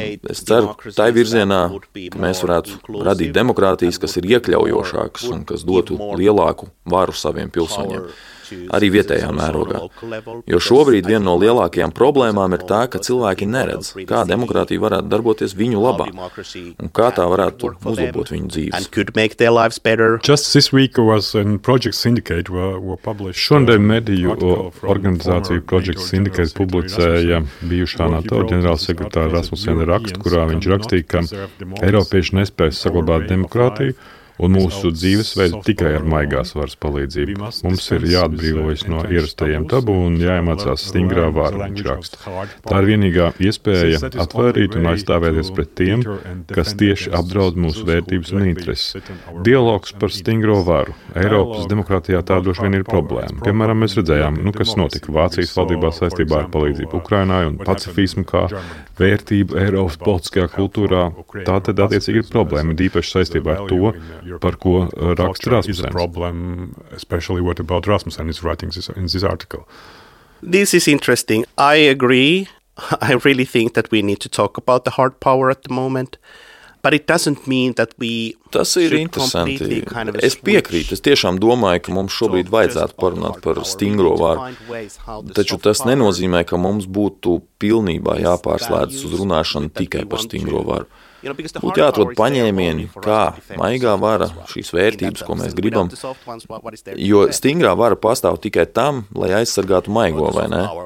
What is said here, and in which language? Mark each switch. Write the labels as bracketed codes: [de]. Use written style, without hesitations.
[lv] Es ceru, tai virzienā, ka mēs varētu radīt demokrātijas, kas ir iekļaujošākas un kas dotu lielāku varu saviem pilsoņiem, arī vietējā mērogā. Jo šobrīd viena no lielākajām problēmām ir tā, ka cilvēki neredz, kā demokrātija varētu darboties viņu labā un kā tā varētu uzlabot viņu dzīves. [en] Just this week was in Project Syndicate were published. [lv] Šodien mediju organizācija Project Syndicate publicēja bijušā NATO ģenerālsekretāra Rasmusena rakstu, kurā viņš rakstīja, ka eiropieši nespēja saglabāt demokrātiju, un mūsu dzīvesveids tikai ar maigās varas palīdzību. Mums ir jāatbrīvojas no ierastajiem tabu un jāiemācās stingrā vāra, viņš raksta. Tā ir vienīgā iespēja atvērīt un aizstāvēties pret tiem, kas tieši apdraud mūsu vērtības un intereses. Dialogs par stingro varu. Eiropas demokrātijā tā droši vien ir problēma. Piemēram, mēs redzējām, kas notika Vācijas valdībā saistībā ar palīdzību Ukrainai un pacifismu kā vērtību Eiropas politiskajā kultūrā. Tā tad attiecīgi ir problēma, īpaši saistībā ar to, par ko raksta Rasmusens. [en] Problem especially what about Rasmussen is writing in this article. This is interesting. I agree. I really think that we need to talk about the hard power at the moment. But it doesn't mean that we [lv] Tas ir interesanti. Es piekrītu, es tiešām domāju, ka mums šobrīd vajadzētu parunāt par stingro varu. Taču tas nenozīmē, ka mums būtu pilnībā jāpārslēdz uz runāšanu tikai par stingro varu. Būtu jāatrod paņēmieni, kā maigā vara šīs vērtības, ko mēs gribam, jo stingrā vara pastāv tikai tam, lai aizsargātu maigo, vai ne?